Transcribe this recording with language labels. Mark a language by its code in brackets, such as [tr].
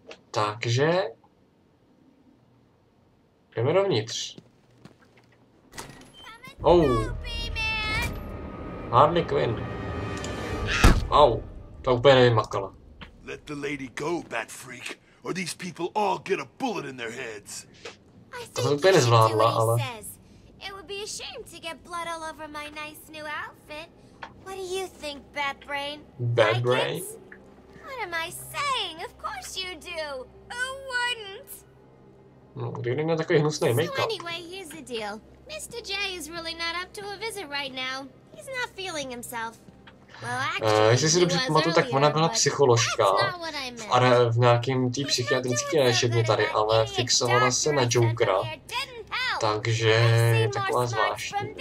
[cs] Takže jdeme dovnitř. Oh. Harley Quinn. Wow, to úplně nevymakala. [en] Let the lady go, bat freak, or these people all get a bullet in their heads. [cs] To se úplně nezvládla, ale [en] it would be a shame to get blood all over my nice new outfit. What do you think, bat brain? Bat brain? What am I saying? Of course you do. Who wouldn't? [cs] No, kdyby neměl takový hnusný make-up. [en] So anyway, here's the deal. Mr. J is really not up to a visit right now. He's not feeling himself. [cs] Jestli si dobře pamatuju, tak ona byla psycholožka v nějakém té psychiatrické léčebně tady, ale fixovala se na Jokera, takže je taková zvláštní.